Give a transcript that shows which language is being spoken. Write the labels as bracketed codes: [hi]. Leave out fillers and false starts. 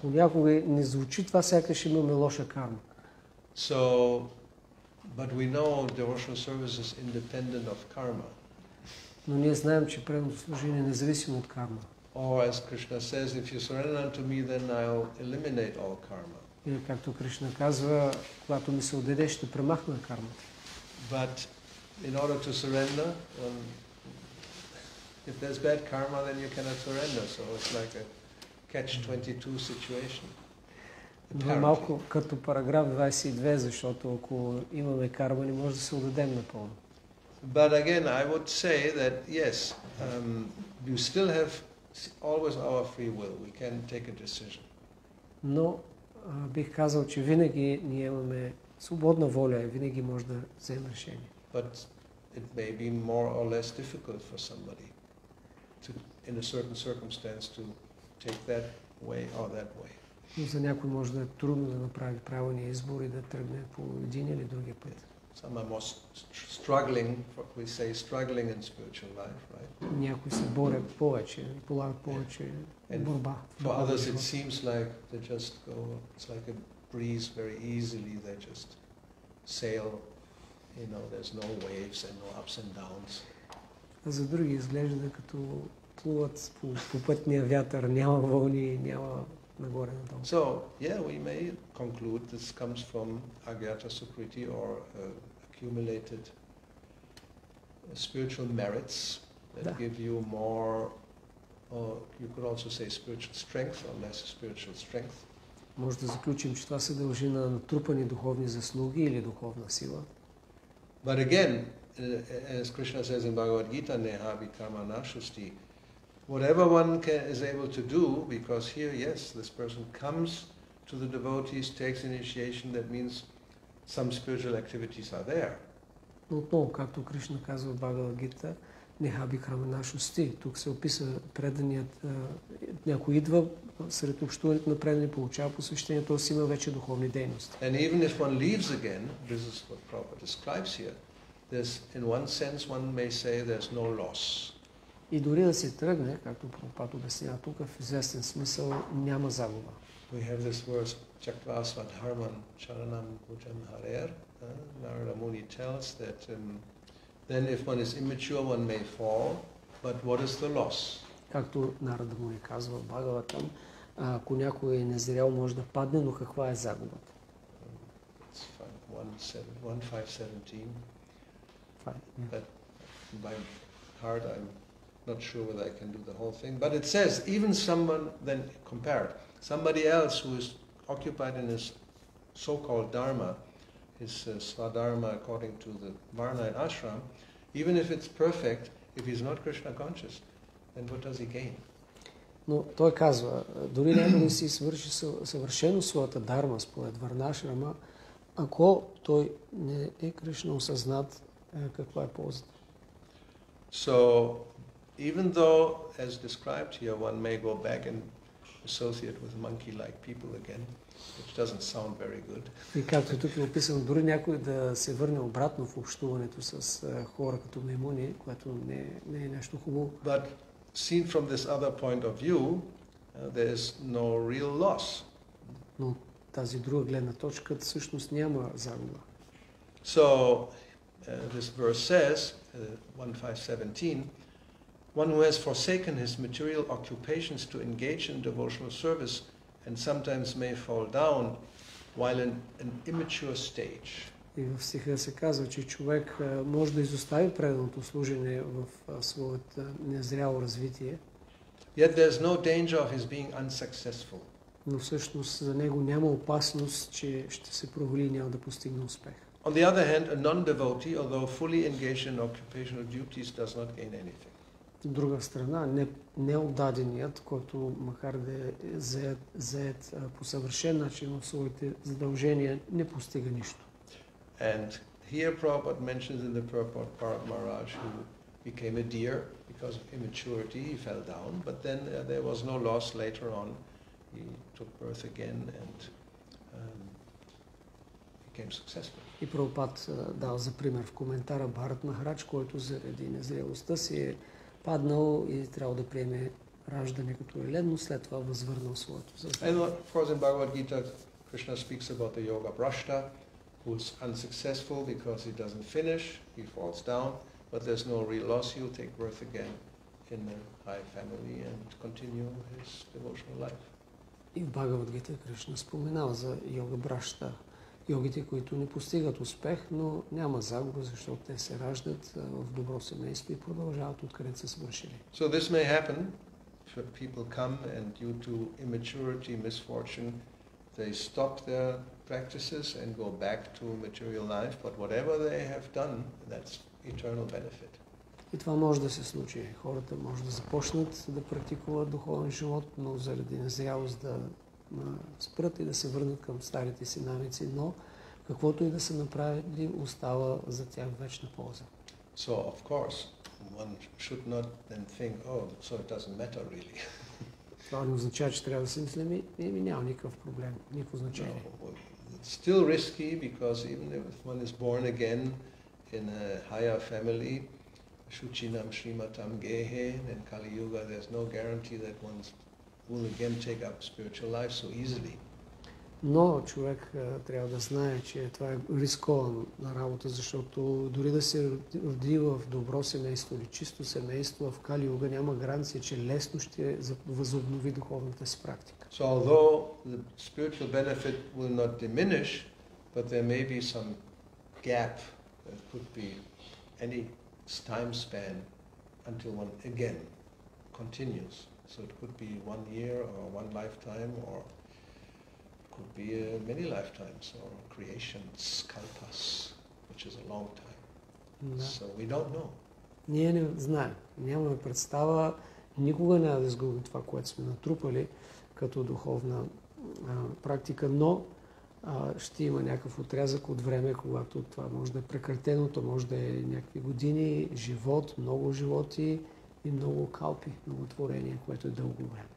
[bg] Понякога не звучи това, сякаш имаме лоша карма. [en] So, but we know devotional service is independent of karma. [bg] Но ние знаем, че преданото служение е независимо от карма. [en] Or as Krishna says, if you surrender unto me, then I'll eliminate all karma. [bg] Или както Кришна казва, когато ми се отдадеш, ще премахна кармата. [en] But in order to surrender, if there's bad karma, then you cannot surrender. So it's like a catch 22 situation. [bg] Но малко като параграф 22, защото ако имаме карма, не може да се отдадем напълно. [en] But again, I would say that yes, you still have always our free will. We can take a decision. [bg] Но бих казал, че винаги ние имаме свободна воля и винаги може да вземем решение. [en] But it may be more or less difficult for somebody to, in a certain circumstance, to take that way or that way. [bg] Но за някой може да е трудно да направи правилния избор и да тръгне по един или другия път. [en] Some are more struggling, what we say, struggling in spiritual life, right? [bg] Някои се борят повече, полагат повече борба. [en] For others it seems like they just go, it's like a breeze, very easily they just sail, you know, there's no waves and no ups and downs. [bg] А за други изглежда като плуват по пътния вятър, няма вълни, няма нагоре надолу. [en] So, yeah, we may conclude this comes from Agyata Sukriti or accumulated spiritual merits that give you more, or you could also say spiritual strength or less spiritual strength. [bg] Може да заключим, че това се дължи на натрупани духовни заслуги или духовна сила. [en] But again, as Krishna says in Bhagavad Gita, [sa] neha vikarma nashusti, [en] whatever one is able to do, because here, yes, this person comes to the devotees, takes initiation, that means some spiritual activities are there. [bg] Но то, както Кришна казва в Бхагавад Гита, [sa] неха бикрама нашости, [bg] тук се описва преданият, някой идва сред общуването на предани, получава посвещение, т.е. има вече духовни дейности. [en] And even if one leaves again, this is what Prabhupada describes here, there's, in one sense, one may say there's no loss. [bg] И дори да се тръгне, както Прабхупада обяснява тук, в известен смисъл няма загуба. [en] We have this verse, [sa] Chakvasvat Harman Charanam Bhujam Harer. [en] Narada Muni tells that then if one is immature, one may fall, but what is the loss? [bg] Както Narada Muni казва в Бхагаватам, ако някой е незрял, може да падне, но каква е загубата? [en] It's 1517. But by heart, I'm not sure whether I can do the whole thing. But it says, even someone, then compare it. Somebody else who is occupied in his so-called dharma, his svadharma according to the varna and ashram, even if it's perfect, if he's not Krishna conscious, then what does he gain? [bg] Но той казва, дори някой не си свърши съвършено своята дарма според варнашрама, ако той не е Кришна осъзнат, каква е ползата? [en] So, even though, as described here, one may go back and associate with monkey-like people again, which doesn't sound very good. [bg] И както тук е описано, дори някой да се върне обратно в общуването с хора като маймуни, което не е нещо хубаво. [en] But seen from this other point of view, there is no real loss. [bg] Но тази друга гледна точка, всъщност няма загуба. [en] So, this verse says, 1517, one who has forsaken his material occupations to engage in devotional service and sometimes may fall down while in an immature stage. [bg] И в стиха се казва, че човек може да изостави преданото служение в своето незряло развитие. [en] Yet there's no danger of his being unsuccessful. [bg] Но всъщност за него няма опасност, че ще се провали и няма да постигне успех. [en] On the other hand, a non-devotee, although fully engaged in occupational duties, does not gain anything. [bg] друга страна, неотдаденият, който макар да е зает по съвършен начин в своите задължения, не постига нищо. [en] And here Prabhupada mentions in the purport Bharat Maharaj who became a deer because of immaturity, he fell down, but then there was no loss later on. He took birth again and became successful. [bg] И Прабхупад дал за пример в коментара Бхарат Махарадж, който заради незрелостта си е паднал и трябва да приеме раждане като елен, но след това възвърнал своето съзнание. [en] And of course in Bhagavad Gita, Krishna speaks about the yoga prashta, who is unsuccessful because he doesn't finish, he falls down, but there's no real loss, he'll take birth again in the high family and continue his devotional life. [bg] И в Бхагавад Гита Кришна споменава за йога брашта, йогите, които не постигат успех, но няма загуба, защото те се раждат в добро семейство и продължават откъдето са свършили. [en] So this may happen, if people come and due to immaturity, misfortune, they stop their practices and go back to material life, but whatever they have done, that's eternal benefit. [bg] И това може да се случи. Хората може да започнат да практикуват духовен живот, но заради незрялост да спрат и да се върнат към старите си навици, но каквото и да са направили, остава за тях вечна полза. [en] So, of course, one should not then think, oh, so it doesn't matter really. [bg] Това не означава, че трябва да си мислим, и няма никакъв проблем, никакво значение. [en] No, it's still risky, because even if one is born again in a higher family, [sa] Шучинам Шриматам Гехе, [en] in Kali Yuga, there's no guarantee that one will again take up spiritual life so easily. [bg] Но човек трябва да знае, че това е рискована работа, защото дори да се роди в добро семейство или чисто семейство, в Кали Юга няма гаранция, че лесно ще възобнови духовната си практика. [en] So although the spiritual benefit will not diminish, but there may be some gap, that could be any time span until one again continues. So it could be 1 year or one lifetime or could be many lifetimes or creations, kalpas, which is a long time. [bg] Da. [en] So we don't know. [bg] Ние не знаем. Нямаме представа. Никога не да изгубим това, което сме натрупали като духовна практика, но ще има някакъв отрязък от време, когато това може да е прекратено, то може да е някакви години, живот, много животи и много калпи, много творение, което е дълго време.